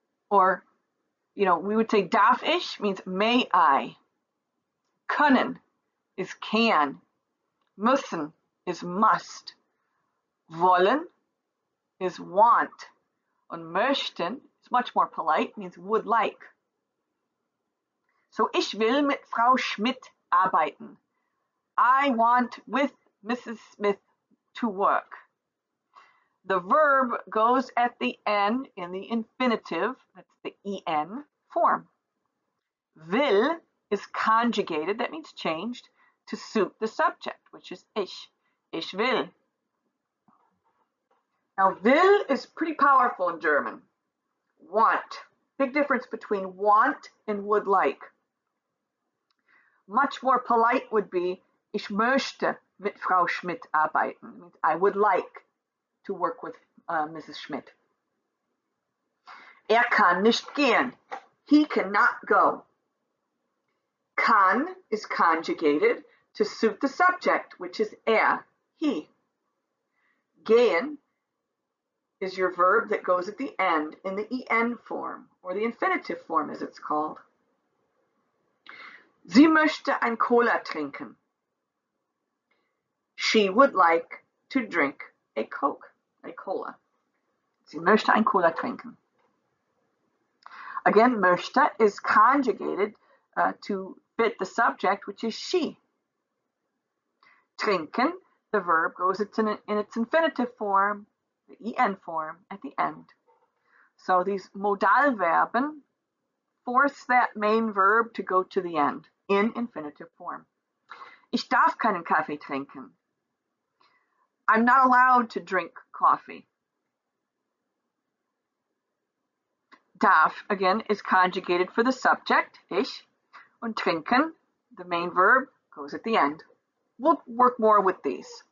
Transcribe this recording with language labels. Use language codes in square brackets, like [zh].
[en] Or, you know, we would say darf ich means may I. Können is can. Müssen is must. Wollen is want. And möchten is much more polite, means would like. [de] So ich will mit Frau Schmidt arbeiten. [en] I want with Mrs. Smith to work. The verb goes at the end in the infinitive, that's the en form. Will is conjugated, that means changed, to suit the subject, which is ich. Ich will. Now, will is pretty powerful in German. Want. Big difference between want and would like. [de] Much more polite would be, ich möchte mit Frau Schmidt arbeiten. [en] I would like to work with Mrs. Schmidt. Kann nicht gehen. He cannot go. Kann is conjugated to suit the subject, which is he. Gehen is your verb that goes at the end in the en form, or the infinitive form as it's called. [de] Sie möchte ein Cola trinken. [en] She would like to drink a Coke, a cola. [de] Sie möchte ein Cola trinken. [en] Again, möchte is conjugated to fit the subject, which is she. Trinken, the verb, goes in its infinitive form, the en form, at the end. So these Modalverben force that main verb to go to the end in infinitive form. [de] Ich darf keinen Kaffee trinken. [en] I'm not allowed to drink coffee. Darf, again, is conjugated for the subject, ich. Und trinken, the main verb, goes at the end. We'll work more with these.